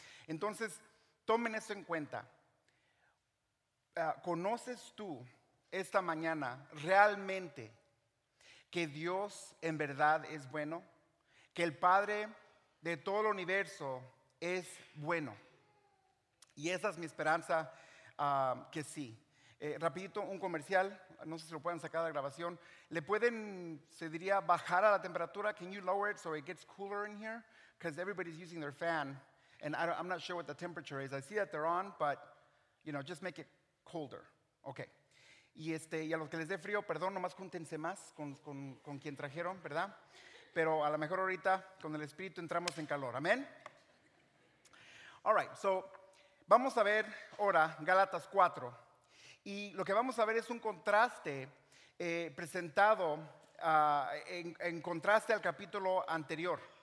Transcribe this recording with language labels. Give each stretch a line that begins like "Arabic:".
Spanish: Entonces, tomen eso en cuenta. ¿Conoces tú esta mañana realmente que Dios en verdad es bueno? Que el Padre de todo el universo es bueno. Y esa es mi esperanza, que sí. Rapidito, un comercial, no sé si lo pueden sacar de la grabación. ¿Le pueden, se diría, bajar a la temperatura?
English: Can you lower it so it gets cooler in here? Because everybody's using their fan. And I'm not sure what the temperature is. I see that they're on, but, you know, just make it colder. Okay.
Spanish: Y a los que les dé frío, perdón, nomás júntense más con quien trajeron, ¿verdad? Pero a lo mejor ahorita con el Espíritu entramos en calor. ¿Amén?
English: All right, so
Spanish: vamos a ver ahora Gálatas 4. Y lo que vamos a ver es un contraste presentado en contraste al capítulo anterior.